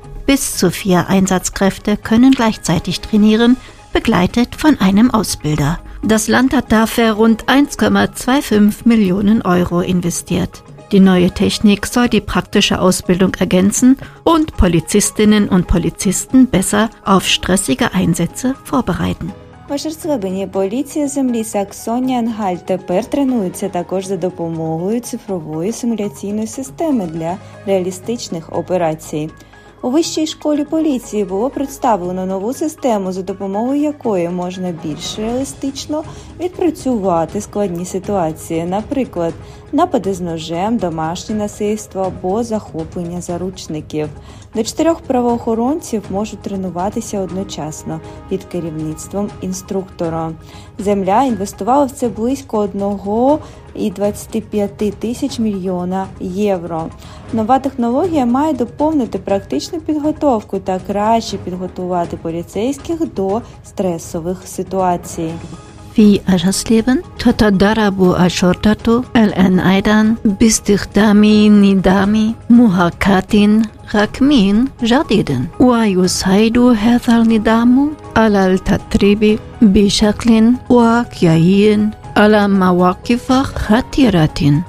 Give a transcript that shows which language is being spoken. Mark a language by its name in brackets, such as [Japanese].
[German] Bis zu 4 Einsatzkräfte können gleichzeitig trainieren, begleitet von einem Ausbilder. Das Land hat dafür rund 1,25 Millionen Euro investiert. Die neue Technik soll die praktische Ausbildung ergänzen und Polizistinnen und Polizisten besser auf stressige Einsätze vorbereiten. [Ukrainian] В Ашерслібені поліція землі Саксонія-Анхальт тепер тренується також за допомогою цифрової симуляційної системи для реалістичних операцій. У вищій школі поліції було представлено нову систему, за допомогою якої можна більш реалістично відпрацювати складні ситуації, наприклад, напади з ножем, домашнє насильство або захоплення заручників. До 4 правоохоронців можуть тренуватися одночасно під керівництвом інструктора. Земля інвестувала в це близько 1,25 тисяч мільйона євро. Нова технологія має доповнити практичну підготовку та краще підготувати поліцейських до стресових ситуацій. [Arabic] في Aschersleben تتدرب الشرطة الآن أيضا باستخدام نظام محاكاة رقمي جديد ويساعد هذا النظام على التدريب بشكل واقعي على مواقف خطيرة